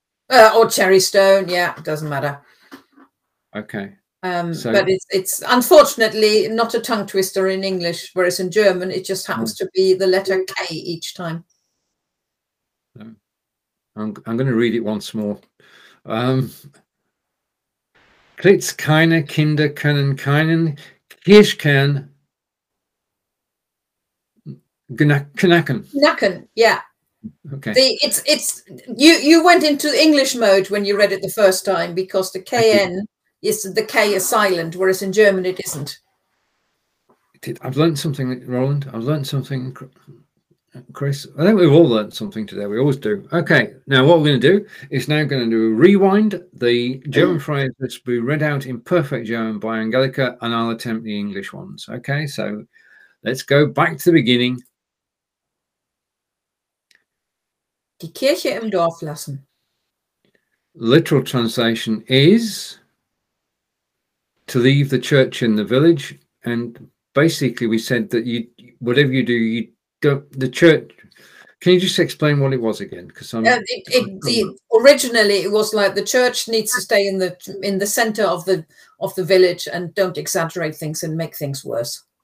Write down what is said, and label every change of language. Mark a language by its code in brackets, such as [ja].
[en] Or cherry stone. Yeah. It doesn't matter. Okay. But it's unfortunately not a tongue twister in English, whereas in German, it just happens to be the letter K each time. I'm going to read it once more. [de] Klitz keine Kinder können keinen Kirschkern knacken. [en] Knacken, yeah. Okay. You went into English mode when you read it the first time, because the KN is the K is silent, whereas in German it isn't. I've learned something, Roland. I've learned something, Chris. I think we've all learned something today. We always do. Okay. Now what we're going to do is now going to do a rewind. The German phrase must be read out in perfect German by Angelica, and I'll attempt the English ones. Okay. So let's go back to the beginning. [de] Die Kirche im Dorf lassen. [en] Literal translation is to leave the church in the village, and basically we said that you, whatever you do, you don't, the church, can you just explain what it was again? Because originally it was like the church needs to stay in the center of the village, and don't exaggerate things and make things worse.